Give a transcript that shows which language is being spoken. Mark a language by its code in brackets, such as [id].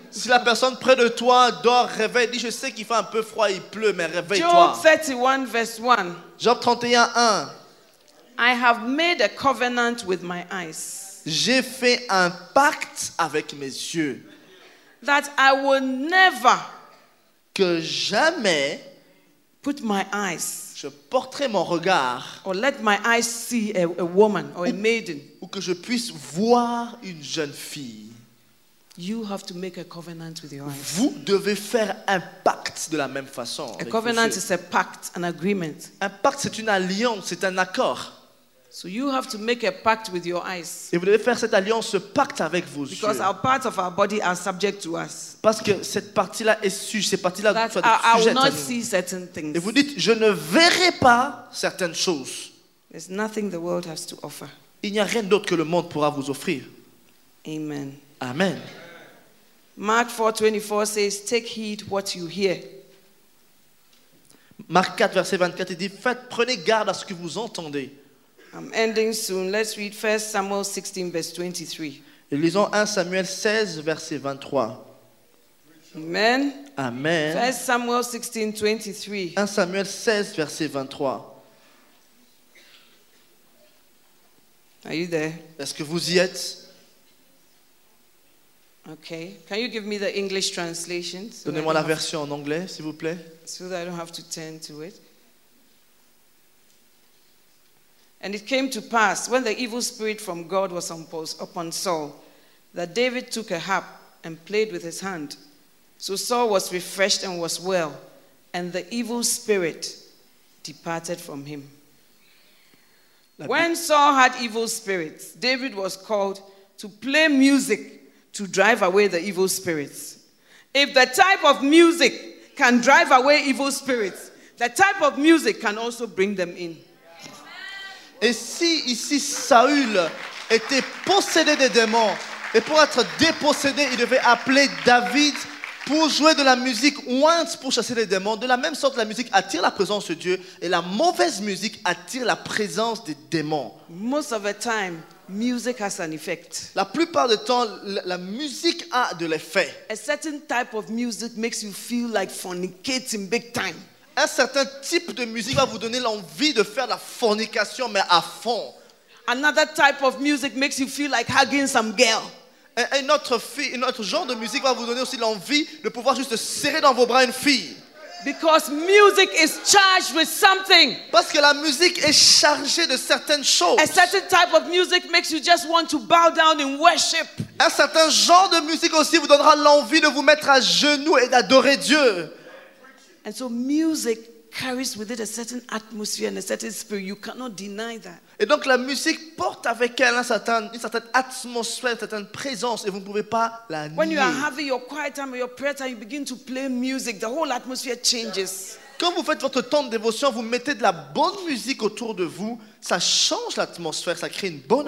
[fr] Si la personne près de toi dort, réveille, dis, je sais qu'il fait un peu froid, il pleut, mais réveille-toi. [en] Job 31, verse 1. [fr] Job 31, 1. [en] I have made a covenant with my eyes. [fr] J'ai fait un pacte avec mes yeux. [en] That I will never. [fr] Que jamais. [en] Put my eyes. [fr] Je porterai mon regard. [en] Or let my eyes see a woman or a maiden. [fr] Ou que je puisse voir une jeune fille. [en] You have to make a covenant with your eyes. [fr] Vous devez faire un pacte de la même façon. [en] A covenant is a pact, an agreement. [fr] Un pacte, c'est une alliance, c'est un accord. [en] So you have to make a pact with your eyes. [fr] Et vous devez faire cette alliance, ce pacte avec vos [en] Because [fr] yeux. [en] Because our parts of our body are subject to us. [fr] Parce que cette partie-là est sujet, cette partie-là [en] That [fr] soit sujette à nous. [en] I will not see certain things. [fr] Et vous dites, je ne verrai pas certaines choses. [en] There's nothing the world has to offer. [fr] Il n'y a rien d'autre que le monde pourra vous offrir. [en] Amen. [fr] Amen. [en] Mark 4:24 says, "Take heed what you hear." [fr] Marc 4 verset 24 dit, faites, prenez garde à ce que vous entendez. [en] I'm ending soon. Let's read 1 Samuel 16, verse 23. [fr] Et lisons 1 Samuel 16, verset 23. [en] Amen. [fr] Amen. [en] 1 Samuel 16, 23. [fr] 1 Samuel 16, verset 23. [en] Are you there? [fr] Est-ce que vous y êtes? [en] Okay. Can you give me the English translation? [fr] So Donnez-moi la version en anglais, s'il vous plaît. [en] So that I don't have to turn to it. And it came to pass, when the evil spirit from God was upon Saul, that David took a harp and played with his hand. So Saul was refreshed and was well, and the evil spirit departed from him. When Saul had evil spirits, David was called to play music to drive away the evil spirits. If the type of music can drive away evil spirits, the type of music can also bring them in. [fr] Et si ici Saül était possédé des démons, et pour être dépossédé, il devait appeler David pour jouer de la musique once pour chasser les démons. De la même sorte, la musique attire la présence de Dieu et la mauvaise musique attire la présence des démons. [en] Most of the time, music has an effect. [fr] La plupart du temps, la musique a de l'effet. [en] A certain type of music makes you feel like fornicating big time. [fr] Un certain type de musique va vous donner l'envie de faire la fornication, mais à fond. [en] Another type of music makes you feel like hugging some girl. [fr] Un autre genre de musique va vous donner aussi l'envie de pouvoir juste serrer dans vos bras une fille. [en] Because music is charged with something. [fr] Parce que la musique est chargée de certaines choses. [en] A certain type of music makes you just want to bow down in worship. [fr] Un certain genre de musique aussi vous donnera l'envie de vous mettre à genoux et d'adorer Dieu. [en] And so music carries with it a certain atmosphere and a certain spirit. You cannot deny that. [fr] Et donc la musique porte avec elle une certaine atmosphère, une certaine présence, et vous ne pouvez pas la nier. [en] When you are having your quiet time or your prayer time, you begin to play music, the whole atmosphere changes. [fr] Quand vous faites votre temps de dévotion, vous mettez de la bonne musique autour de vous, ça change l'atmosphère, ça crée une bonne